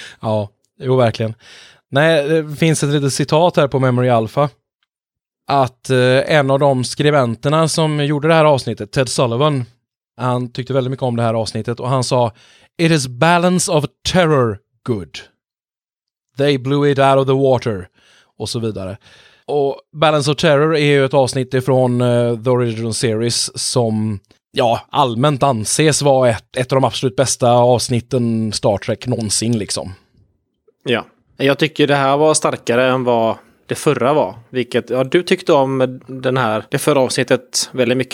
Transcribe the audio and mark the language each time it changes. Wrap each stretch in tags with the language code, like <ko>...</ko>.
<sv>Ja, jo, verkligen. Nej, det finns ett litet citat här på Memory Alpha. Att en av de skribenterna som gjorde det här avsnittet, Ted Sullivan, han tyckte väldigt mycket om det här avsnittet och han sa:</sv> <en>"It is balance of terror good. They blew it out of the water."</en> <sv>Och så vidare. Och Balance of Terror är ju ett avsnitt från The Original Series som, ja, allmänt anses vara ett av de absolut bästa avsnitten Star Trek någonsin, liksom. Ja. Jag tycker det här var starkare än vad det förra var. Vilket, ja, du tyckte om den här, det förra avsnittet väldigt mycket.</sv>